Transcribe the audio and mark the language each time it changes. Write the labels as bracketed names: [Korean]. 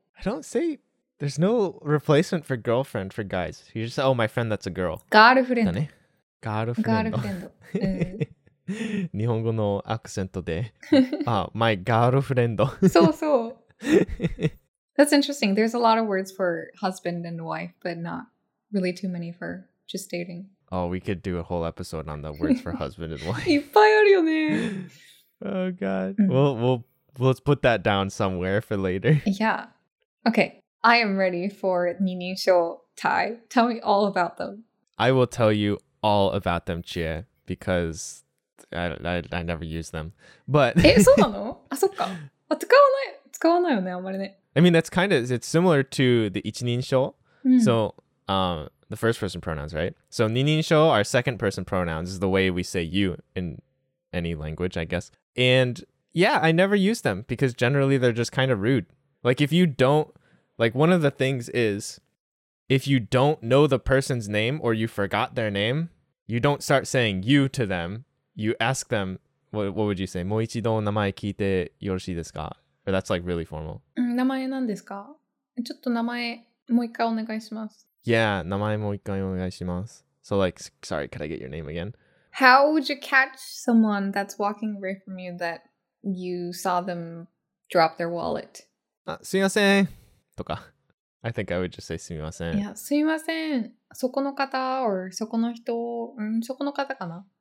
[English] I don't say… There's no replacement for girlfriend for guys. You just say, oh, my friend that's a girl. Girlfriend. Girlfriend. [Japanese] 日本語のアクセントで。 [English] My girlfriend. [Japanese] そうそう。 [English] That's interesting. There's a lot of words for husband and wife, but not really too many for just dating. Oh, we could do a whole episode on the words for husband and wife. [Japanese] いっぱいあるよね。 [English] Oh, God. Well, let's put that down somewhere for later. Yeah. Okay. I am ready for 二人称 Tai. Tell me all about them. I will tell you all about them, Chia, because I never use them. But... [Japanese] え、そうなの?あ、そっか。あ、使わない。使わないよね、あんまりね。 [English] I mean, that's kind of... It's similar to the 一人称.So, the first person pronouns, right? So, 二人称 are second person pronouns. This is the way we say you in any language, I guess. And yeah, I never use them because generally they're just kind of rude. Like, if you don't... Like, one of the things is if you don't know the person's name or you forgot their name, you don't start saying you to them. You ask them, what would you say? [Japanese] もう一度名前聞いてよろしいですか? [English] Or that's like really formal. [Japanese] 名前なんですか? ちょっと名前もう一回お願いします。 Yeah, 名前もう一回お願いします。 [English] So like, sorry, could I get your name again? How would you catch someone that's walking away from you that you saw them drop their wallet? [Japanese] すいません。とか。 [English] I think I would just say すみません。 [Japanese] いや、すみません。そこの方 or そこの人、そこの方かな。